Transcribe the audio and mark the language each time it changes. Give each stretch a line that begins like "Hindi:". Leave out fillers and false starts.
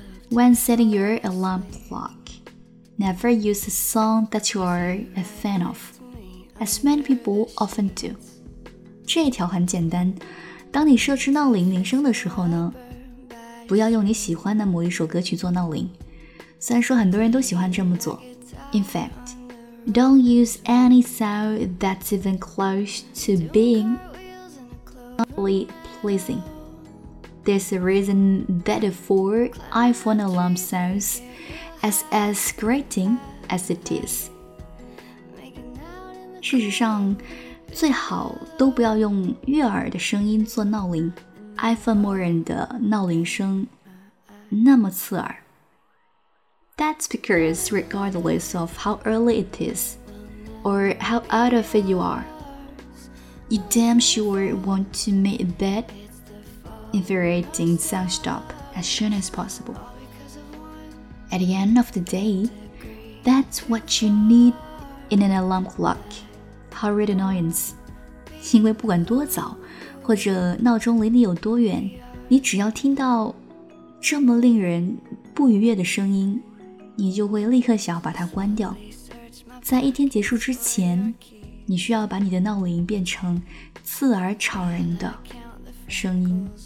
English: When setting your alarm clock, never use a song that you are a fan of, as many people often do.
Chinese: 这一条很简单。当你设置闹铃铃声的时候呢，不要用你喜欢的某一首歌曲做闹铃。虽然说很多人都喜欢这么做。
English: In fact, don't use any sound that's even close to being really pleasing. There's a reason that the 4 iPhone alarm sounds as grating as it is.
Chinese: 事实上最好都不要用悦耳的声音做闹铃。 iPhone 默认的闹铃声那么刺耳。
English: That's because regardless of how early it is, or how out of it you are, you damn sure want to make a bed, infuriating sound stop as soon as possible. At the end of the day, that's what you need in an alarm clock, horrid annoyance.
Chinese: 因为不管多早或者闹钟离你有多远，你只要听到这么令人不愉悦的声音，你就会立刻想要把它关掉。在一天结束之前，你需要把你的闹铃变成刺耳吵人的声音。